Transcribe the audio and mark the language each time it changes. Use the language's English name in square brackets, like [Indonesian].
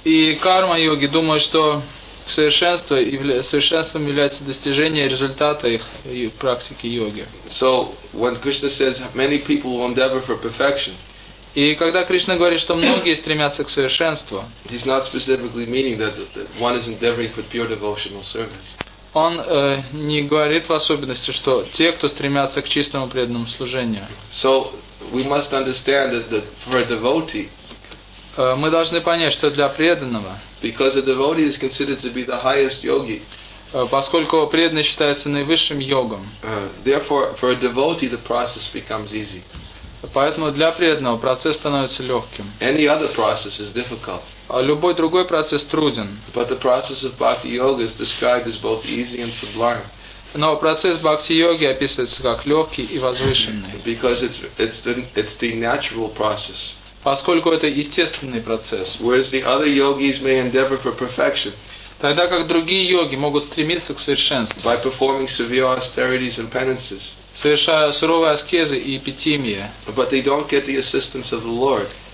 [Russian] И карма-йоги думают, что совершенством является достижение результата их практики йоги. [English] So when Krishna says many people will endeavor for perfection, [Russian] И когда Кришна говорит, что многие стремятся к совершенству, [English] he's not specifically meaning that one is endeavoring for pure devotional service. [Russian] Он не говорит в особенности, что те, кто стремятся к чистому преданному служению. [English] So we must understand that for a devotee. [Russian] Мы должны понять, что для преданного. [English] Because a devotee is considered to be the highest yogi. [Russian] Поскольку преданный считается наивысшим йогом. [English] Therefore, for a devotee, the process becomes easy. [Russian] Поэтому для преданного процесс становится легким. [English] Any other process is difficult. [Russian] А любой другой процесс труден. [English] But the process of bhakti yoga is described as both easy and sublime. [Russian] Но процесс бхакти йоги описывается как легкий и возвышенный. [English] Because it's the natural process. [Russian] Поскольку это естественный процесс. [English] Whereas the other yogis may endeavor for perfection. [Russian] Тогда как другие йоги могут стремиться к совершенству. [English] By performing severe austerities and penances. [Russian] Совершая суровые аскезы и эпитимии. [English] But they don't get the assistance of the Lord.